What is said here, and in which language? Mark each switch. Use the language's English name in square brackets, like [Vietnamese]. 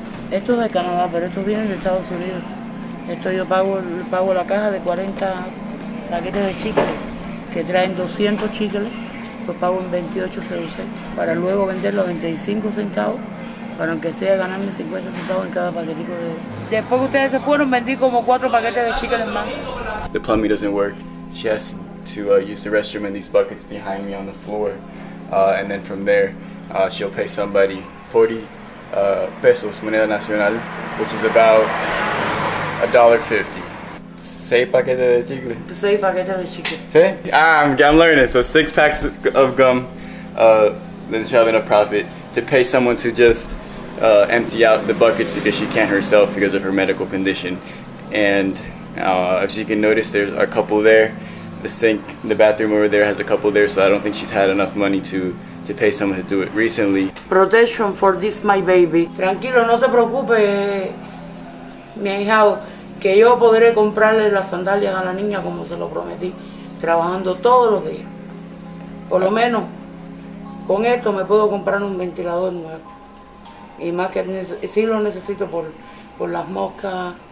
[Spanish] Estos de Canadá, pero estos vienen de Estados Unidos. Esto yo pago la caja de 40 paquetes de chicles, que traen 200 chicles, pues pago en 28 CUC, para luego venderlo a 25 centavos, para aunque sea ganarme 50 centavos en cada paquetico de... Después que ustedes se fueron, vendí como 4 paquetes de chicles más. [English] The plumbing doesn't work. She has to use the restroom in these buckets behind me on the floor. And then from there, she'll pay somebody 40 pesos, moneda nacional, which is about $1.50. [Spanish] 6 paquetes de chicle. 6 paquetes de chicle. [English] ¿Sí? I'm learning. So 6 packs of gum, then she'll have enough profit to pay someone to just empty out the buckets because she can't herself because of her medical condition. And as you can notice, there are a couple there. The sink, the bathroom over there has a couple there, so I don't think she's had enough money to pay someone to do it recently. Protection for this my baby. [Spanish] Tranquilo, no te preocupes, mi hijao, que yo podré comprarle las sandalias a la niña como se lo prometí, trabajando todos los días. Por lo menos, con esto me puedo comprar un ventilador nuevo. Y más que sí lo necesito por las moscas.